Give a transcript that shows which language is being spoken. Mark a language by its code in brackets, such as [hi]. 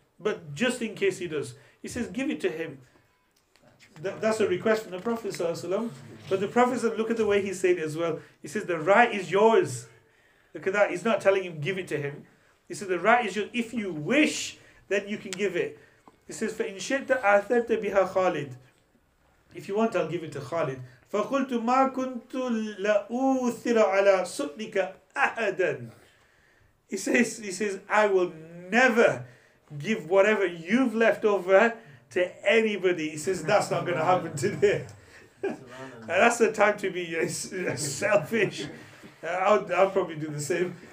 [en] But just in case he does, he says, give it to him. That's a request from the Prophet ﷺ. But the Prophet ﷺ, look at the way he said it as well. He says, the right is yours. Look at that. He's not telling him, give it to him. He says, the right is yours. If you wish, then you can give it. He says, [ar] فَإِنْ شِئْتَ أَثَرْتَ بِهَا خَالِدٍ. [en] If you want, I'll give it to Khalid. [ar] فَقُلْتُ مَا كُنْتُ لَأُوثِرَ عَلَىٰ سُؤْلِكَ أَهَدًا. [en] He says, I will never give whatever you've left over to anybody. He says, that's not going to happen today. And that's the time to be selfish. I'll probably do the same.